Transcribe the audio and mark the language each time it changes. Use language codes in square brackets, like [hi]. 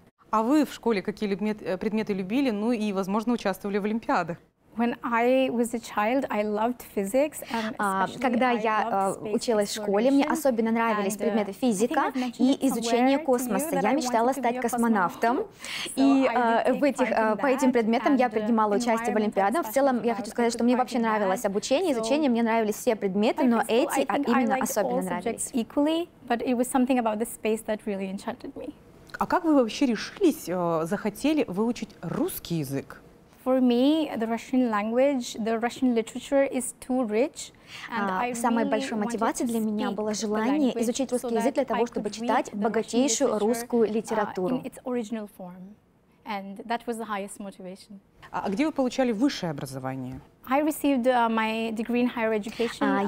[ru] А вы в школе какие предметы любили, ну и, возможно, участвовали в олимпиадах? [en] When I was a child, I loved physics. [ru] Когда я училась в школе, мне особенно нравились предметы физика и изучение космоса. Я мечтала стать космонавтом, и по этим предметам я принимала участие в олимпиадах. В целом, я хочу сказать, что мне вообще нравилось обучение, изучение. Мне нравились все предметы, но эти именно особенно нравились. [en] Equally, but it was something about the space that really enchanted me. [ru] А как вы вообще решились, захотели выучить русский язык? [en] For me, the Russian language, the Russian literature is too rich. [ru] Самой большой мотивацией для меня было желание изучить русский язык для того, чтобы читать богатейшую русскую литературу. [en] In its original form. And that was the highest motivation. [ru] А где вы получали высшее образование? [en] I received my degree in higher education.